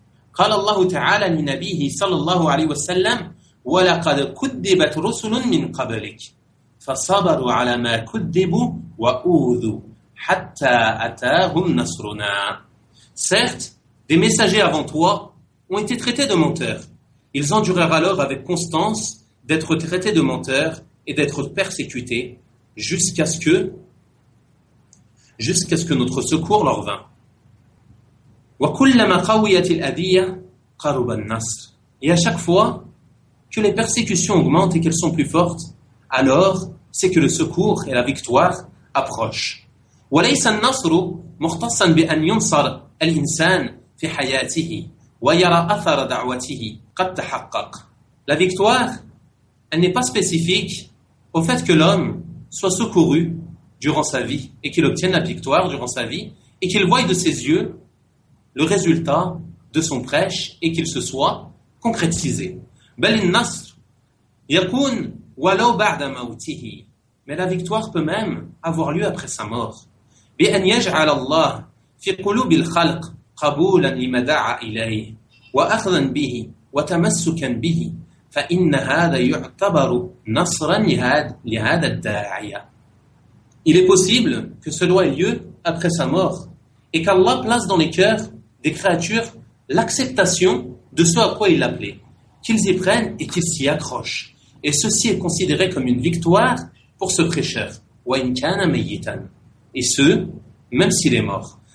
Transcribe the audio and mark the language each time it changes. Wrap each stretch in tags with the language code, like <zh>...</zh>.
<ar>قال الله تعالى لنبيه صلى الله عليه وسلم ولقد كذبت رسل من قبلك فصبروا على ما كذبوا وأوذوا حتى أتاهم نصرنا.</ar> <fr>Certes, des messagers avant toi ont été traités de menteurs. Ils endurèrent alors avec constance d'être traités de menteurs et d'être persécutés jusqu'à ce que notre secours leur vint.</fr> <ar>وكلما قويت الأذية قرب النصر.</ar> <fr>Et à chaque fois que les persécutions augmentent et qu'elles sont plus fortes, alors c'est que le secours et la victoire approchent.</fr> <ar>وليس النصر مختصا بأن ينصر الإنسان في حياته ويرى أثر دعوته قد تحقق.</ar> <fr>La victoire, elle n'est pas spécifique au fait que l'homme soit secouru durant sa vie et qu'il obtienne la victoire durant sa vie et qu'il voie de ses yeux le résultat de son prêche et qu'il se soit concrétisé.</fr> <ar>بل النصر يكون ولو بعد موته.</ar> <fr>Mais la victoire peut même avoir lieu après sa mort.</fr> <ar>بأن يجعل الله في قلوب الخلق قبولا لما دعا إليه وأخذا به وتمسكا به فإن هذا يعتبر نصرا لهذا الداعية.</ar> <fr>Il est possible que cela ait lieu après sa mort et qu'Allah place dans les cœurs des créatures l'acceptation de ce à quoi il l'appelait, qu'ils y prennent et qu'ils s'y accrochent. Et ceci est considéré comme une victoire pour ce prêcheur.</fr> <ar>وَإِنْ كَانَ مَيِّتًا.</ar> <fr>Et ce, même s'il est mort.</fr>